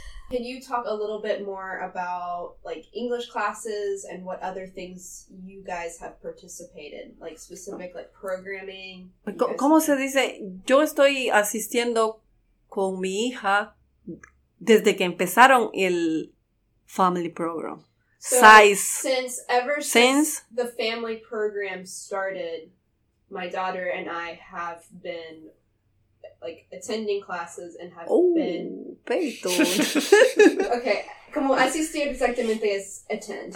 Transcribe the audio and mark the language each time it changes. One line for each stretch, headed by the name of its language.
English: Can you talk a little bit more about, like, English classes and what other things you guys have participated, like, specific, like, programming?
Spanish: ¿Cómo se dice? Yo estoy asistiendo con mi hija desde que empezaron el family program.
English: Since the family program started, my daughter and I have been, like, attending classes and have been... Oh, peito.
Spanish: Okay, como asistir exactamente es attend.